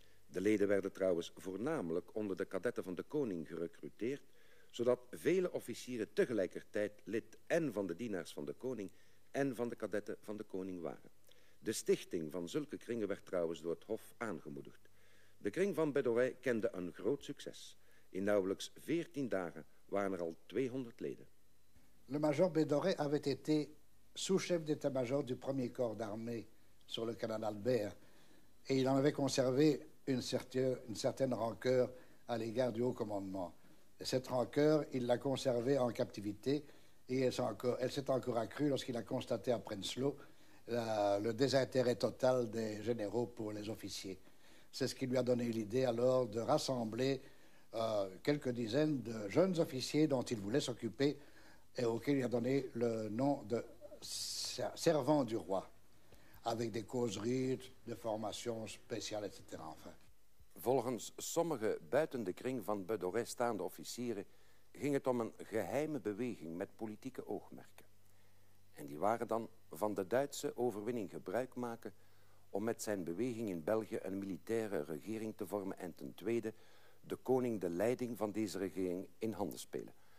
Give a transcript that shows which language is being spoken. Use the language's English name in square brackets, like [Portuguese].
[Dutch] De leden werden trouwens voornamelijk onder de kadetten van de koning gerecruiteerd, zodat vele officieren tegelijkertijd lid en van de dienaars van de koning en van de kadetten van de koning waren. De stichting van zulke kringen werd trouwens door het hof aangemoedigd. De kring van Bedoré kende een groot succes. In nauwelijks 14 dagen waren er al 200 leden. [French] Le major Bedoré avait été sous-chef d'état-major du premier corps d'armée sur le canal Albert, et il en avait conservé une certaine rancœur à l'égard du haut commandement. Et cette rancœur, il l'a conservée en captivité, et elle s'est encore accrue lorsqu'il a constaté à Prenzlau le désintérêt total des généraux pour les officiers. C'est ce qui lui a donné l'idée alors de rassembler quelques dizaines de jeunes officiers dont il voulait s'occuper et auxquels il a donné le nom de servant du roi, avec des causeries, des formations spéciales, etc. Enfin. [Dutch] Volgens sommige buiten de kring van Bedoré staande officieren ging het om een geheime beweging met politieke oogmerken. En die waren dan van de Duitse overwinning gebruik maken om met zijn beweging in België een militaire regering te vormen en ten tweede de koning de leiding van deze regering in handen spelen.